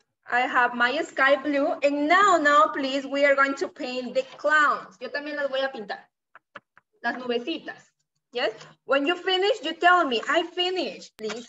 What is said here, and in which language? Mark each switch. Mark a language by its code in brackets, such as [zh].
[en] I have my sky blue, and now, please, we are going to paint the clouds. [es] Yo también las voy a pintar, las nubecitas. [en] Yes? When you finish, you tell me, I finished, please.